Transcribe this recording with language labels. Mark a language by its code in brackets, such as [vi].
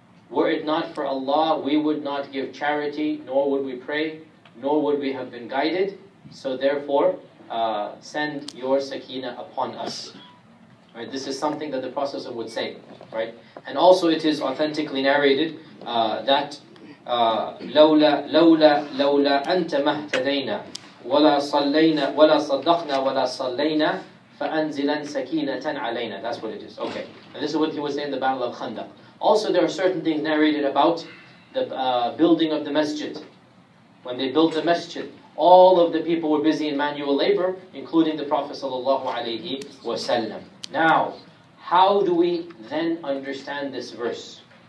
[en] Were it not for Allah, we would not give charity, nor would we pray, nor would we have been guided. So therefore, send your sakina upon us. Right, this is something that the Prophet would say, right? And also it is authentically narrated that [ar] لَوْلَا أَنْتَ مَهْتَدَيْنَا وَلَا صَلَّيْنَا وَلَا صَدَّقْنَا وَلَا صَلَّيْنَا فَأَنزِلَنْ سَكِينَةً عَلَيْنَا. [en] That's what it is. Okay. And this is what he was saying in the Battle of Khandaq. Also, there are certain things narrated about the building of the masjid. When they built the masjid, all of the people were busy in manual labor, including the Prophet sallallahu alayhi wa sallam. Now, how do we then understand this verse?